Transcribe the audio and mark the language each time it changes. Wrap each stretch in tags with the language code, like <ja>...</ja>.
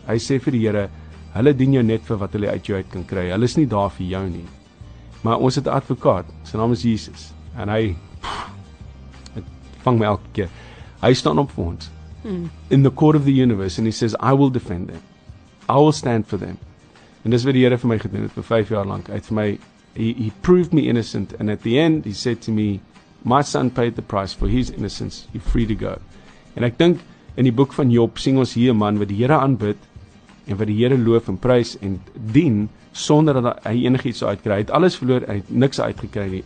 <af>Hy sê vir die Here, hulle dien jou net vir wat hulle uit jou uit kan kry. Hulle is nie daar vir jou nie. Maar ons het 'n advokaat, sy naam is Jesus. En hy vang my elke keer. Hy staan op vir ons.</af> <en>In the court of the universe, and he says, I will defend them. I will stand for them.</en> <af>En dis wat die Here vir my gedoen het vir 5 jaar lank. Hy het vir my,</af> <en>he proved me innocent. And at the end, he said to me, my son paid the price for his innocence. You're free to go.</en> <af>En ek dink, in die boek van Job, sien ons hier 'n man wat die Here aanbid, en wat die Here loof en prys en dien, sonder dat hy enigiets uitkry. Hy het alles verloor, hy het niks uitgekry nie.</af>